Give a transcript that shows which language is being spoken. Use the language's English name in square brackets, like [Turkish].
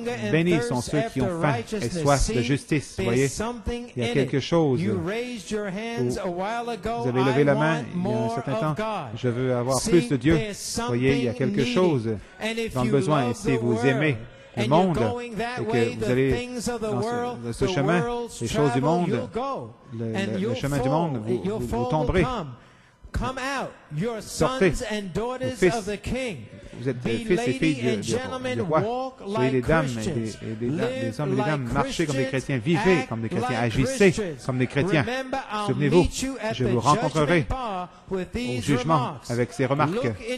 [French] Bénis sont ceux qui ont faim et soif de justice. Vous voyez, il y a quelque chose où vous avez levé la main il y a un certain temps. Je veux avoir plus de Dieu. Vous voyez, il y a quelque chose dans le besoin. Et si vous aimez le monde et que vous allez dans ce chemin, les choses du monde, le chemin du monde, vous tomberez. [English] Come out, your sons and daughters of the king. [French] Vous êtes fils et filles du roi. Soyez des dames et des hommes et des dames. Marchez comme des chrétiens. Vivez comme des chrétiens. Agissez comme des chrétiens. Souvenez-vous, je vous rencontrerai au jugement avec ces remarques.